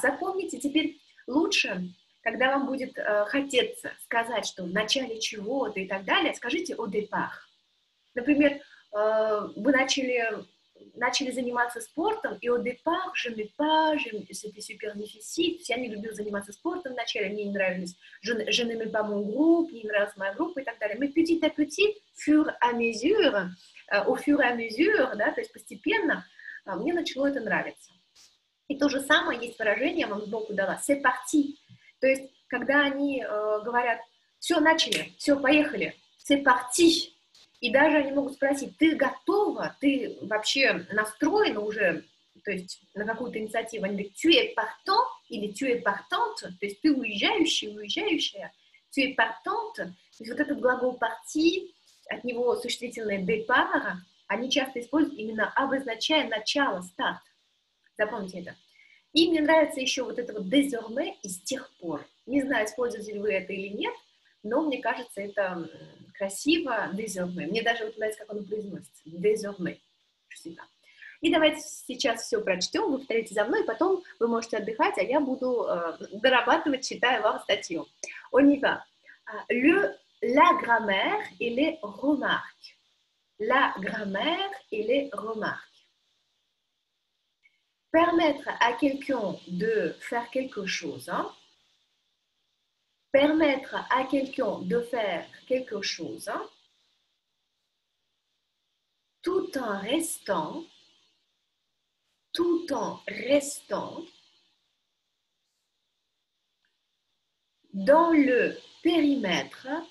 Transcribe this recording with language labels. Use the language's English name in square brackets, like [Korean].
[Russian] Запомните, теперь лучше, когда вам будет хотеться сказать, что в начале чего-то и так далее, скажите [French] au départ. [Russian] Например, вы начали заниматься спортом, и [French] au départ, je me pas, c'était super difficile, [Russian] я не любил заниматься спортом вначале, мне не нравились, [French] je n'aimais pas mon groupe, [Russian] мне не нравилась моя группа и так далее. [French] Mais petit à petit, fur à mesure, au fur et à mesure, [Russian] да, то есть постепенно, мне начало это нравиться. И то же самое есть выражение, я вам сбоку дала, [French] c'est parti, [Russian] то есть когда они говорят, все, начали, все, поехали, c'est parti. И даже они могут спросить, ты готова, ты вообще настроена уже, то есть на какую-то инициативу, они говорят, [French] tu es partant [Russian] или [French] tu es partante, [Russian] то есть ты уезжающий, уезжающая, tu es partante, то есть вот этот глагол parti, от него существительное départ, они часто используют именно обозначая начало, старт. Запомните это. И мне нравится еще вот это вот [French] désormais [Russian] и с тех пор. Не знаю, используете ли вы это или нет, но мне кажется, это красиво, désormais. Мне даже вот нравится, как оно произносится. [French] Désormais. [Russian] Всегда. И давайте сейчас все прочтем, вы повторите за мной, потом вы можете отдыхать, а я буду дорабатывать, читая вам статью. [French] On y va. La grammaire et les remarques. La grammaire et les remarques. Permettre à quelqu'un de faire quelque chose, hein? Permettre à quelqu'un de faire quelque chose tout en restant dans le périmètre